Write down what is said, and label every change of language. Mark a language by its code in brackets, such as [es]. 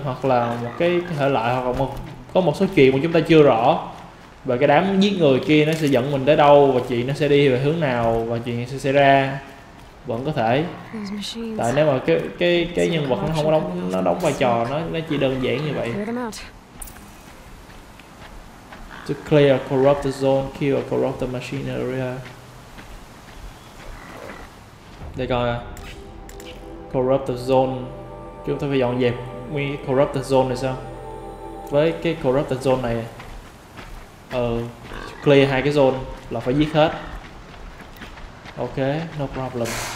[vi] Hoặc là một cái thể loại, hoặc là có một số chuyện mà chúng ta chưa rõ, và cái đám giết người kia nó sẽ dẫn mình tới đâu, và chuyện nó sẽ đi về hướng nào, và chuyện sẽ xảy ra, vẫn có thể. Tại nếu mà cái nhân vật nó không đóng, nó đóng vai trò, nó chỉ đơn giản như vậy. [en] To clear a corrupted zone, kill a corrupted machine area. [vi] Đây coi nè, corrupted zone, chúng ta phải dọn dẹp nguyên cái corrupted zone này sao? Với cái corrupted zone này, clear hai cái zone là phải giết hết. [en] Ok, no problem.